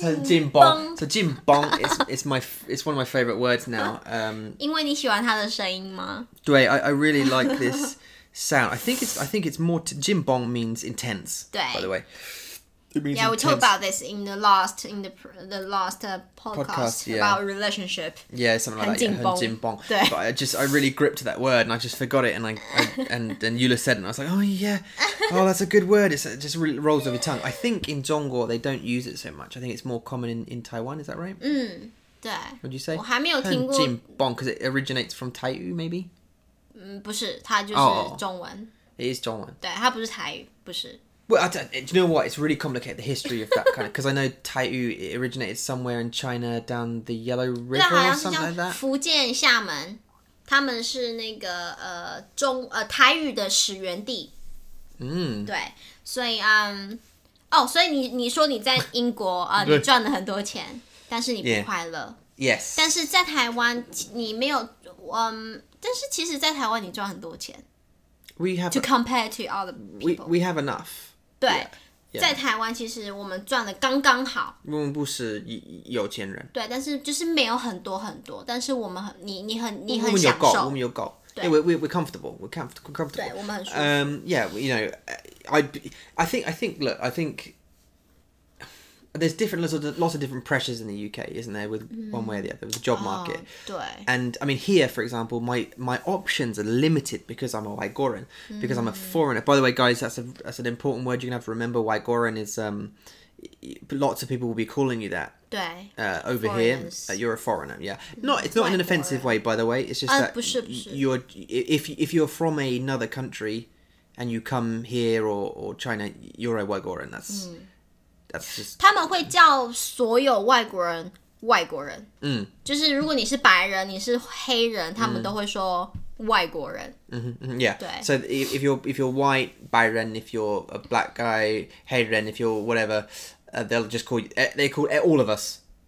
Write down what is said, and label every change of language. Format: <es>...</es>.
<zh>很紧绷</zh> <en>it's one of my favorite words now.</en> <zh>因为你喜欢它的声音吗？</zh> <en>对 I really like this sound. I think it's more 紧绷 means intense.</en> <zh>对</zh> <en>by the way. Yeah, we talked about this in the last podcast yeah. about relationship. Yeah, something like that.</en> <zh>很紧绷</zh> <en>But I really gripped that word and I just forgot it. And I and Yula said it and I was like, oh yeah. Oh, that's a good word. It just really rolls off your tongue. I think in 中国 they don't use it so much. I think it's more common in Taiwan. Is that right?</en> <zh>嗯，对。</zh> <en>What'd you say?</en> <zh>我还没有听过。</zh> <en>紧绷 because it originates from 台语 maybe?</en> <zh>嗯，不是，它就是中文。</zh> <en>It is 中文。</en> <zh>对，它不是台语，不是。</zh> <en>Well, do you know what? It's really complicated, the history of that kind of... Because I know Taiyu originated somewhere in China down the Yellow River or something like that.</en> <zh>福建厦门他们是那个中台语的始源地。嗯。对。所以所以你说你在英国你赚了很多钱但是你不快乐。</zh> <en>Yes.</en> <zh>但是在台湾你没有但是其实在台湾你赚很多钱。</zh> <en>We have... To compare to other people. We have enough.</en> <zh>对</zh> <en>yeah, yeah.</en> <zh>在台湾其实我们赚的刚刚好我们不是有钱人对但是就是没有很多很多但是我们很你很享受我们有够对</zh> <en>we're comfortable we're comfortable</en> <zh>对我们很舒服</zh> <en>yeah you know I think look I think there's different lots of different pressures in the UK isn't there with one way or the other with the job market</en> <zh>对</zh> <en>and I mean here for example my options are limited because I'm a Waigoran because I'm a foreigner by the way guys that's an important word you're gonna have to remember Waigoran is lots of people will be calling you that</en> <zh>对</zh> <en>over foreigners. Here you're a foreigner yeah not it's not in an offensive way by the way it's just that</en> <zh>不是不是</zh> <en>you're if you're from another country and you come here or China you're a Waigoran that's</en> <zh>他们会叫所有外国人外国人，嗯，就是如果你是白人，你是黑人，他们都会说外国人。嗯哼 ，Yeah，对。</zh> <en>So if you're white, 白人 ，if you're a black guy, 黑人 ，if you're whatever, they'll just call you, they call all of us</en>